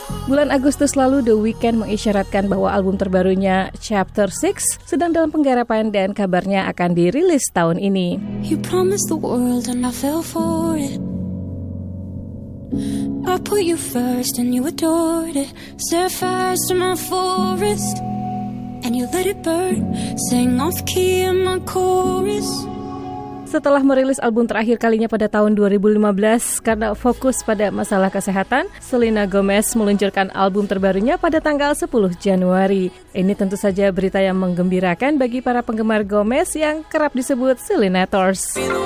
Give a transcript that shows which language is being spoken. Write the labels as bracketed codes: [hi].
[id] Bulan Agustus lalu, The Weeknd mengisyaratkan bahwa album terbarunya, Chapter 6, sedang dalam penggarapan dan kabarnya akan dirilis tahun ini. [en] You promised the world and I fell for it. I put you first and you adored it. Set fire to my forest and you let it burn. Sing off key in my chorus. [id] Setelah merilis album terakhir kalinya pada tahun 2015 karena fokus pada masalah kesehatan, Selena Gomez meluncurkan album terbarunya pada tanggal 10 Januari. Ini tentu saja berita yang menggembirakan bagi para penggemar Gomez yang kerap disebut Selenators.